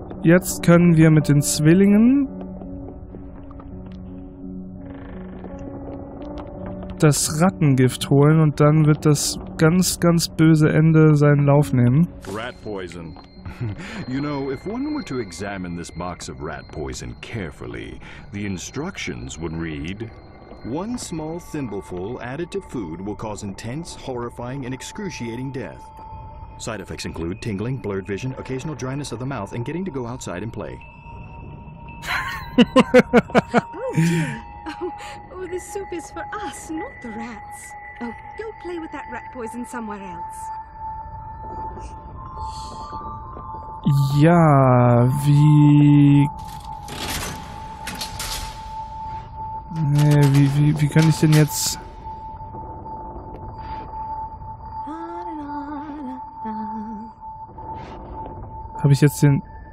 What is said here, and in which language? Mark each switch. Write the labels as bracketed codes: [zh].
[de] Jetzt können wir mit den Zwillingen das Rattengift holen und dann wird das ganz, ganz böse Ende seinen Lauf nehmen. [en] Ratpoison. You know, if one were to examine this box of rat poison carefully, the instructions would read: One small thimbleful added to food will cause intense, horrifying and excruciating death. Side effects include tingling, blurred vision, occasional dryness of the mouth and getting to go outside and play. Oh dear. Oh, the soup is for us, not the rats. Oh, go play with that rat poison somewhere else. [de] Ja, wie kann ich denn jetzt? Habe ich jetzt den?